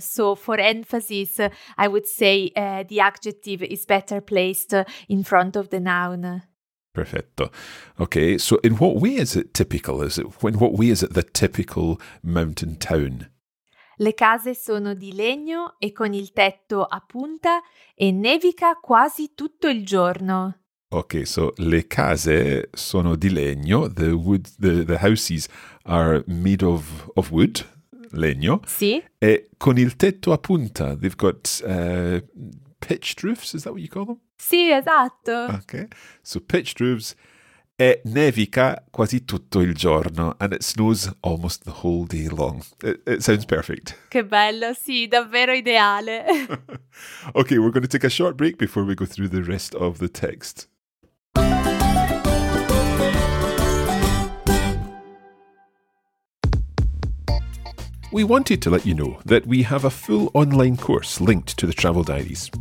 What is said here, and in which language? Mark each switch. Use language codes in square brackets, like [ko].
[en] So for emphasis, I would say the adjective is better placed in front of the noun. [it] Perfetto. [en] Okay, so in what way is it typical? Is it, in what way is it the typical mountain town? [it] Le case sono di legno e con il tetto a punta e nevica quasi tutto il giorno. [en] Okay, so [it] le case sono di legno, [en] the wood, the houses are made of wood, legno. [it] Sì. E con il tetto a punta, [en] they've got pitched roofs, is that what you call them? [it] Sì, esatto. [en] Okay, so pitched roofs [it] e nevica quasi tutto il giorno, [en] and it snows almost the whole day long. It sounds perfect. [it] Che bello, sì, davvero ideale. [en] Okay, we're going to take a short break before we go through the rest of the text. We wanted to let you know that we have a full online course linked to the Travel Diaries.